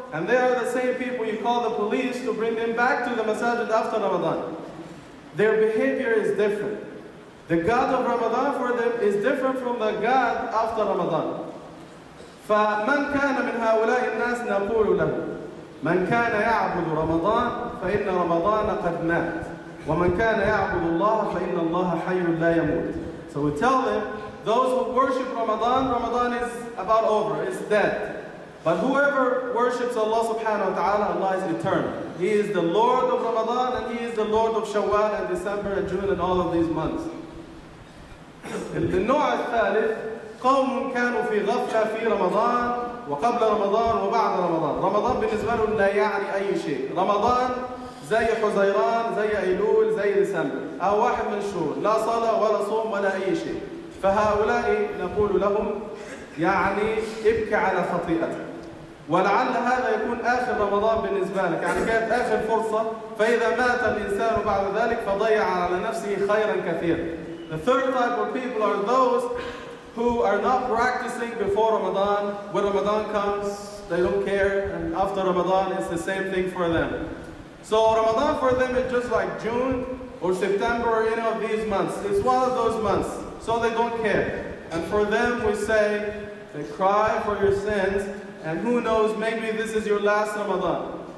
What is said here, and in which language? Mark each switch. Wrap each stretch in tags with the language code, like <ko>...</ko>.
<en>And they are the same people you call the police to bring them back to the masjid after Ramadan. Their behavior is different. The God of Ramadan for them is different from the God after Ramadan.</en> <ar>فَمَنْ كَانَ مِنْ هَؤُلَاءِ النَّاسِ نَقُولُ لَهُ من كان يعبد رمضان فإن رمضان قد مات، ومن كان يعبد الله فإن الله حي لا يموت.</ar> <en>So we tell them, those who worship Ramadan, Ramadan is about over, it's dead. But whoever worships Allah subhanahu wa ta'ala, Allah is eternal. He is the Lord of Ramadan and He is the Lord of Shawwal and December and June and all of these months.</en> <ar>النوع الثالث قوم كانوا في غفلة في رمضان وقبل رمضان وبعد رمضان. رمضان بالنسبة لهم لا يعني أي شيء. رمضان زي حزيران زي أيلول زي ديسمبر أو واحد من الشهور، لا صلاة ولا صوم ولا أي شيء. فهؤلاء نقول لهم يعني ابكى على خطيئتك، ولعل هذا يكون آخر رمضان بالنسبة لك، يعني كانت آخر فرصة. فإذا مات الإنسان بعد ذلك فضيع على نفسه خيرا كثيرا.</ar> <en>The third type of people are those who are not practicing before Ramadan. When Ramadan comes, they don't care, and after Ramadan, it's the same thing for them. So Ramadan for them is just like June or September or any of these months. It's one of those months, so they don't care. And for them, we say, they cry for your sins, and who knows, maybe this is your last Ramadan.</en>